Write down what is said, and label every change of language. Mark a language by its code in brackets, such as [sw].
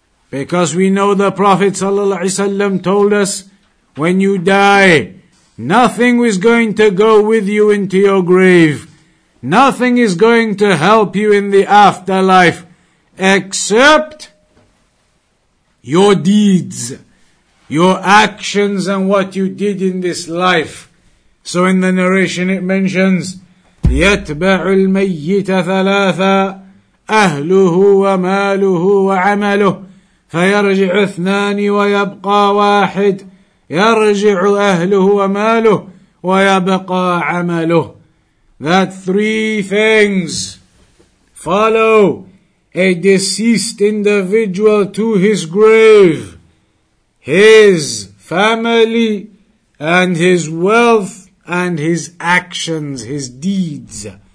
[en] Because we know the Prophet sallallahu alaihi wasallam told us, when you die, nothing is going to go with you into your grave. Nothing is going to help you in the afterlife, except your deeds, your actions and what you did in this life. So in the narration it mentions, [ar] يتبع الميت ثلاثا أهله وماله وعمله فيرجع اثنان ويبقى واحد يرجع أهله وماله ويبقى عمله. [en] That three things follow a deceased individual to his grave: his family and his wealth and his actions, his deeds.